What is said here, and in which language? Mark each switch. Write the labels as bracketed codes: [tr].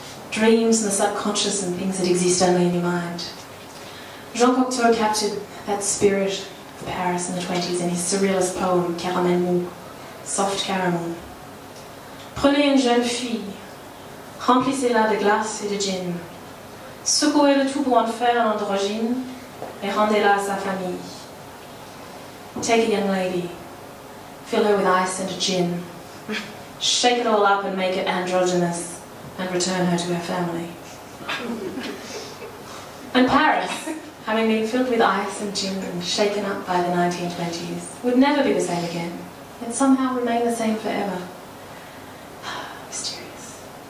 [en] Dreams and the subconscious and things that exist only in your mind. Jean Cocteau captured that spirit of Paris in the 20s in his surrealist poem, Caramel Mou, Soft Caramel. [fr] Prenez une jeune fille, remplissez-la de glace et de gin. Secouez le tout pour en faire un androgyne et rendez-la à sa famille. [en] Take a young lady, fill her with ice and a gin. Shake it all up and make it androgynous and return her to her family. And Paris, having been filled with ice and gin and shaken up by the 1920s, would never be the same again, yet somehow remain the same forever. Mysterious.